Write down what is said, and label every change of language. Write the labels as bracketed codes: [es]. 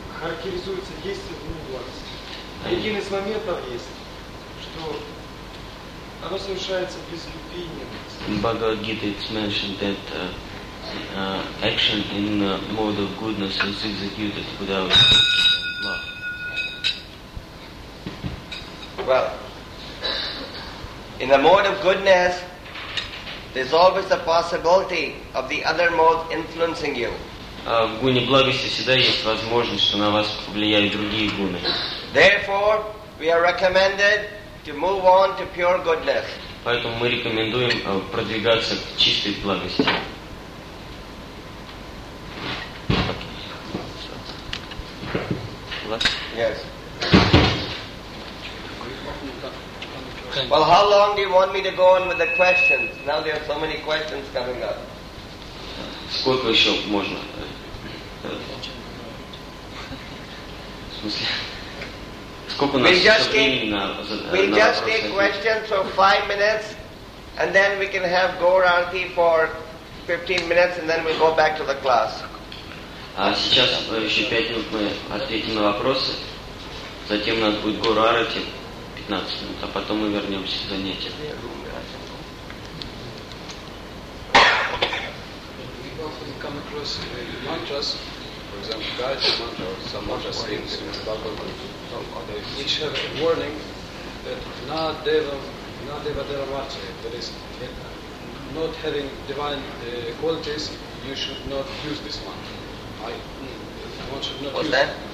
[ru] Характеризуется действие в гуне благости. Один из моментов есть, что оно совершается без любви и ненависти. [en] In Bhagavad-gita it's mentioned that action in the mode of goodness is executed without love. Well, in the mode of goodness, there's always the possibility of the other mode influencing you. [ru] В гуне благости всегда есть возможность, что на вас повлияют другие гуны. [en] Therefore, we are recommended to move on to pure goodness. [ru] Поэтому мы рекомендуем продвигаться к чистой благости. [en] Thank you. Yes. Well, how long do you want me to go on with the questions? Now there are so many questions coming up. [ru] Сколько еще можно? Сколько нас времени на? [en] We just take questions for 5 minutes, and then we can have Gaurarti for 15 minutes, and then we go back to the class. [ru] А сейчас еще 5 минут мы ответим на вопросы, затем у нас будет Гаурарти 15 минут, а потом мы вернемся к занятиям. [en] Come across mantras, for example, Gayatri mantra or some mantras in Srimad Bhagavatam, which have a warning that [sa] na deva devamartya, [en] that is, not having divine qualities, you should not use this mantra.